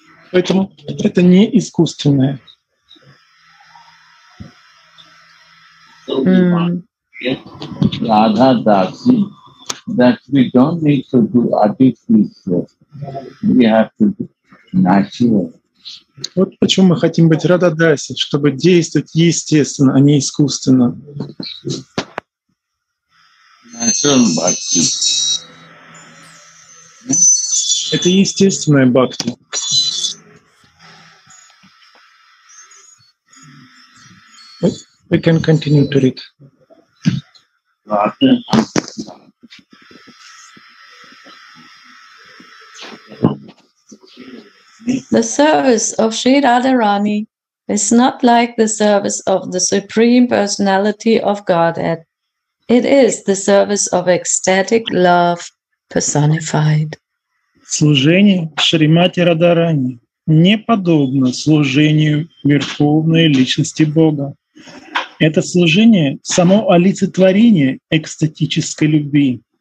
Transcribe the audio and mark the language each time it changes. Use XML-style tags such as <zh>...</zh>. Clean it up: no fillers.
<ru>Поэтому это не искусственное.</ru> <en>Radha Dasi, that we don't need to do artificial. We have to do</en> <ru>Вот почему мы хотим быть Радха Даси, чтобы действовать естественно, а не искусственно. Это естественная бхакти.</ru> <en>We can continue to read. The service of Sri Radharani is not like the service of the Supreme Personality of Godhead. It is the service of ecstatic love personified.</en> <ru>Служение Шримати Радарани не подобно служению Верховной Личности Бога. Это служение — само олицетворение экстатической любви.</ru>